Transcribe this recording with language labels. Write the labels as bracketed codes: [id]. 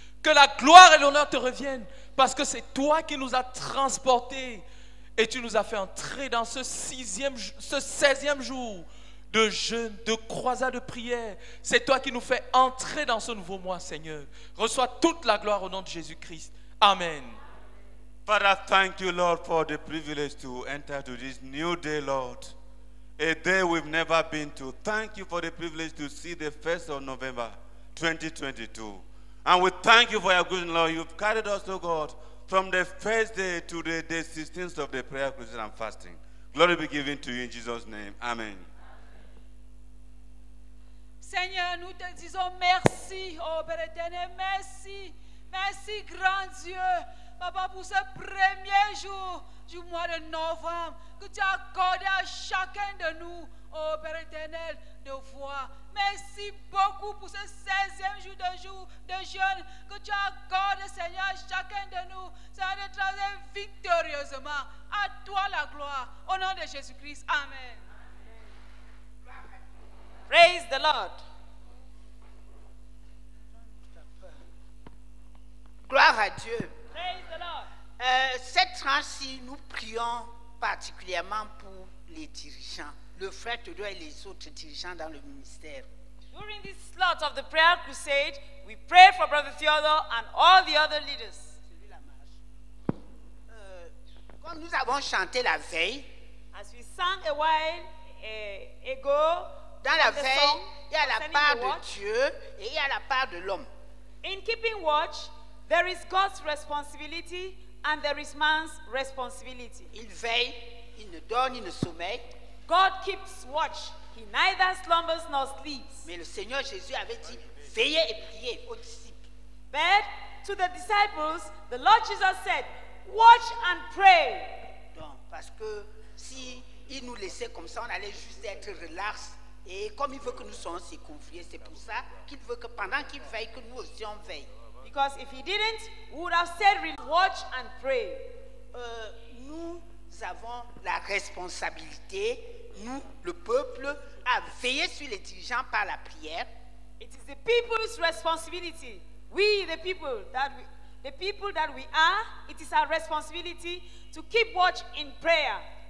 [fr] Que la gloire et l'honneur te reviennent, parce que c'est toi qui nous as transportés et tu nous as fait entrer dans ce 16e jour de jeûne, de croisade, de prière. C'est toi qui nous fais entrer dans ce nouveau mois, Seigneur. Reçois toute la gloire au nom de Jésus-Christ. Amen. [en] Father, thank you, Lord, for the privilege to enter to this new day, Lord. A day we've never been to. Thank you for the privilege to see the 1st of November 2022. And we thank you for your goodness, Lord. You've carried us, oh God, from the first day to the 16th of the prayer, crucifixion, and fasting. Glory be given to you in Jesus' name. Amen. [fr] Seigneur, nous te disons merci, oh Père éternel, merci. Merci, grand Dieu, Papa, pour ce premier jour du mois de novembre que tu as accordé à chacun de nous, oh Père éternel, de voir. Merci beaucoup pour ce 16e jour de jeûne que tu accordes, Seigneur, à chacun de nous. Seigneur, de traverser victorieusement. À toi la gloire. Au nom de Jésus-Christ. Amen. [en] Praise the Lord. [fr] Gloire à Dieu. [en] Praise the Lord. [fr] Cette rangée, nous prions particulièrement pour les dirigeants, le frère Tedou et les autres dirigeants dans le ministère. [en] During this slot of the prayer crusade, we pray for Brother Theodore and all the other leaders. [fr] Comme nous avons chanté la veille, [en] as we sang a while ago, [fr] dans la veille, il y a la part de Dieu et il y a la part de l'homme. [en] In keeping watch, there is God's responsibility and there is man's responsibility. [fr] Il veille, il ne dort, il ne sommeille. [en] God keeps watch. He neither slumbers nor sleeps. [fr] Mais le Seigneur Jésus avait dit, veillez et priez aux disciples. [en] But to the disciples, the Lord Jesus said, watch and pray. [fr] Donc, parce que si il nous laissait comme ça, on allait juste être relax. Et comme il veut que nous soyons ses confiés, c'est pour ça qu'il veut que pendant qu'il veille, que nous aussi on veille. [en] Because if he didn't, we would have said, really, watch and pray. [fr] Nous avons la responsabilité, nous, le peuple, à veiller sur les dirigeants par la prière. [en] It is the people's responsibility. We, the people, that we are, it is our responsibility to keep watch in prayer.